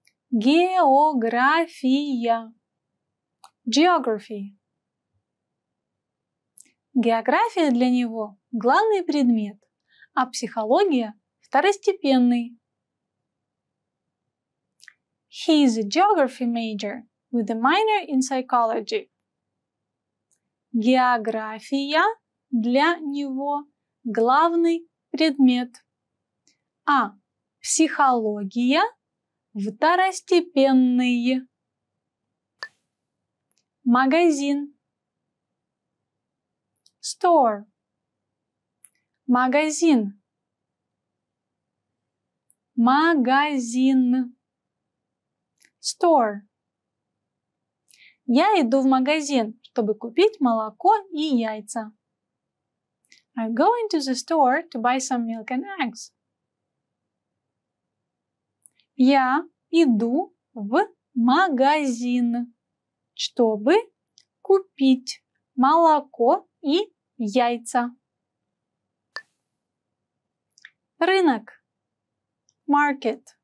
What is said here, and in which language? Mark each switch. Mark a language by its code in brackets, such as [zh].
[ru] География. [en] Geography. [ru] География для него – главный предмет, а психология – второстепенный. [en] He is a geography major with a minor in psychology. [ru] География для него – главный предмет, а психология – второстепенный. Магазин. [en] Store. [ru] Магазин. Магазин. [en] Store. [ru] Я иду в магазин, чтобы купить молоко и яйца. [en] I'm going to the store to buy some milk and eggs. [ru] Я иду в магазин, чтобы купить молоко и яйца. Рынок. [en] Market.